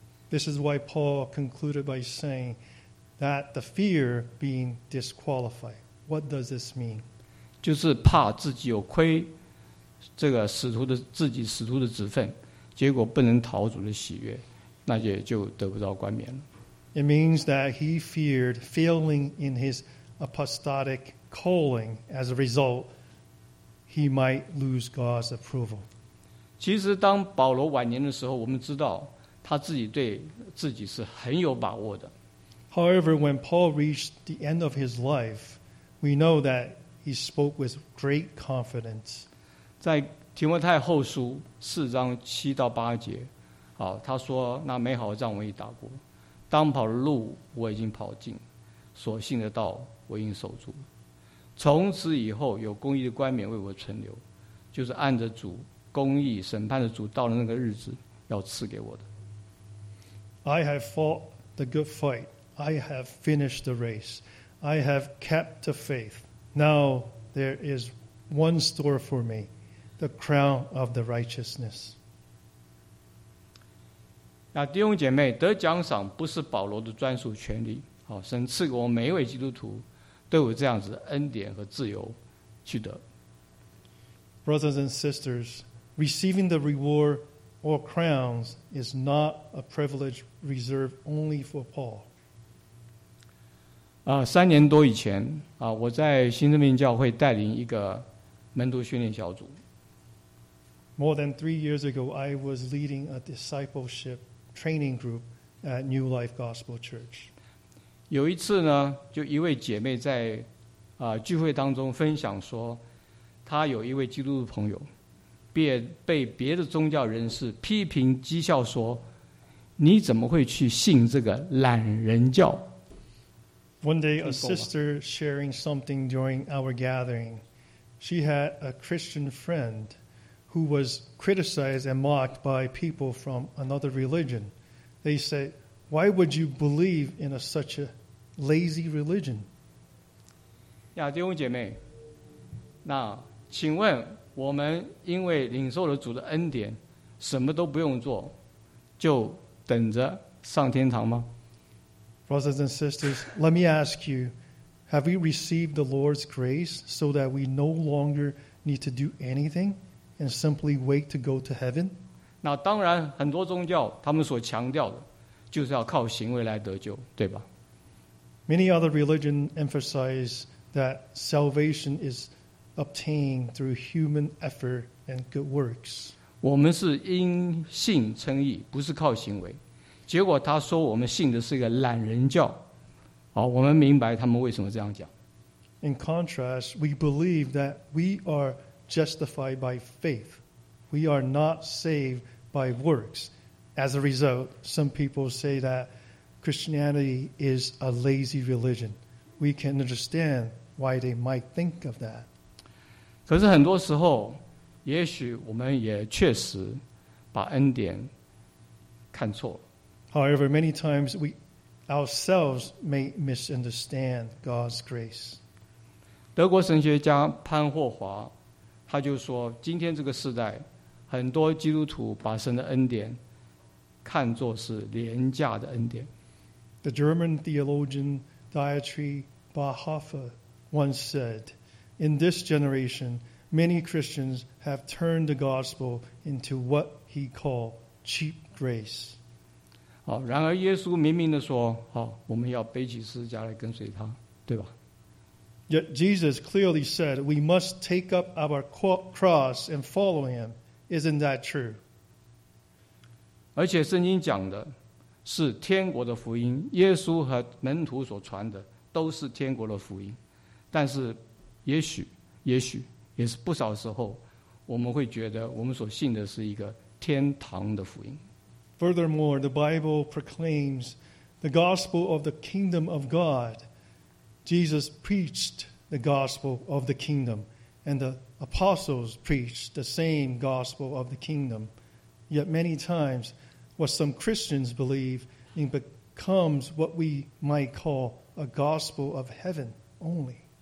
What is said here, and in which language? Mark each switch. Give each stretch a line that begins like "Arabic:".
English: This is why Paul concluded by saying that the fear being disqualified. What does this mean?
Chinese: 就是怕自己有亏这个使徒的职分，结果不能讨主的喜悦，那也就得不到冠冕了。
English: It means that he feared failing in his apostolic calling as a result. He might lose God's approval.
Chinese: 其实当保罗晚年的时候，我们知道他自己对自己是很有把握的。
English: However, when Paul reached the end of his life, we know that he spoke with great confidence.
Chinese: 在提摩太后书四章七到八节, 好，他说那美好的仗我已打过，当跑的路我已经跑尽，所信的道我已经守住，从此以后有公义的冠冕为我存留，就是按着主公义审判的主到了那个日子要赐给我的。
English: I have fought the good fight, I have finished the race, I have kept the faith. Now there is one store for me, the crown of the righteousness.
Chinese: 那弟兄姐妹，得奖赏不是保罗的专属权利，好，神赐给我们每一位基督徒都有这样子恩典和自由去得。
English: Brothers and sisters, receiving the reward or crowns is not a privilege reserved only for Paul.
Chinese: 三年多以前，我在新生命教会带领一个门徒训练小组。
English: More than 3 years ago, I was leading a discipleship training group at New Life Gospel Church.
Chinese: 有一次呢，就一位姐妹在聚会当中分享说，她有一位基督徒朋友被别的宗教人士批评讥笑说，你怎么会去信这个懒人教。
English: One day a sister sharing something during our gathering, she had a Christian friend who was criticized and mocked by people from another religion. They said,Why would you believe in such a lazy religion?
Chinese: 亚弟兄姐妹，那请问我们因为领受了主的恩典，什么都不用做，就等着上天堂吗？
English: Brothers and sisters, let me ask you, have we received the Lord's grace so that we no longer need to do anything and simply wait to go to heaven?
Chinese: 那当然，很多宗教他们所强调的就是要靠行为来得救，对吧？
English: Many other religions emphasize that salvation is obtained through human effort and good works.
Chinese: 我们是因信称义，不是靠行为。结果他说我们信的是一个懒人教。好，我们明白他们为什么这样讲。
English: In contrast, we believe that we are justified by faith. We are not saved by works. As a result, some people say that Christianity is a lazy religion. We can understand why they might think of that.
Chinese: 可是很多时候，也许我们也确实把恩典看错了。
English: However, many times we ourselves may misunderstand God's grace.
Chinese: 德国神学家潘霍华，他就说，今天这个时代，很多基督徒把神的恩典看作是廉价的恩典。
English: The German theologian Dietrich Bonhoeffer once said, In this generation, many Christians have turned the gospel into what he called cheap grace.
Chinese: 好，然而耶稣明明地说，好，我们要背起十字架来跟随他，对吧？
English: Yet Jesus clearly said, We must take up our cross and follow him. Isn't that true?
Chinese: 而且圣经讲的是天国的福音，耶稣和门徒所传的都是天国的福音。但是也许也是不少时候，我们会觉得我们所信的是一个天堂的福音。
English: Furthermore, the Bible proclaims the gospel of the kingdom of God. Jesus preached the gospel of the kingdom, and the apostles preached the same gospel of the kingdom. Yet many timesWhat some Christians believe in becomes what we might call a gospel of heaven only.